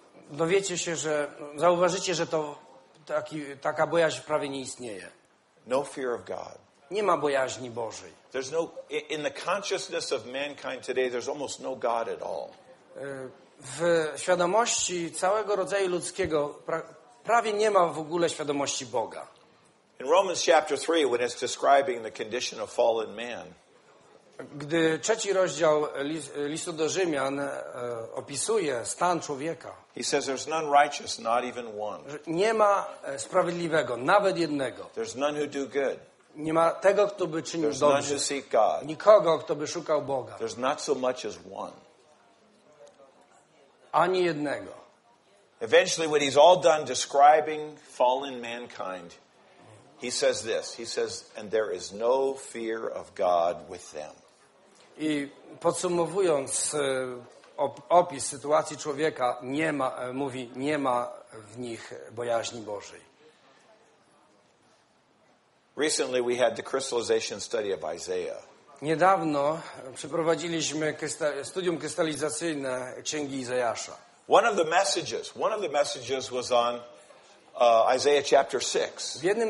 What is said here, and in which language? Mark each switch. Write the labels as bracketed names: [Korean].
[Polish] Dowiecie się, że zauważycie, że to taka bojaźń prawie nie istnieje. [English] No fear of God. [Polish] Nie ma bojaźni Bożej. [English] There's no in the consciousness of mankind today there's almost no God at all. [Polish] W świadomości całego rodzaju ludzkiego prawie nie ma w ogóle świadomości Boga. [English] In Romans chapter 3 when it's describing the condition of fallen man. [Polish] Gdy trzeci rozdział listu do Rzymian opisuje stan człowieka. [English] He says there's none righteous, not even one. [Polish] Nie ma sprawiedliwego, nawet jednego. [English] There's none who do good. [Polish] Nie ma tego, kto by czynił dobrze. Nikogo, kto by szukał Boga. [English] There's not so much as one. [Polish] Ani jednego. [English] Eventually, when he's all done describing fallen mankind, he says this. He says, and there is no fear of God with them. [Polish] I podsumowując opis sytuacji człowieka, nie ma, mówi, nie ma w nich bojaźni Bożej. [English] Recently we had the crystallization study of Isaiah. [Polish] Niedawno przeprowadziliśmy studium krystalizacyjne księgi Izajasza. [English] One of the messages was on Isaiah chapter 6.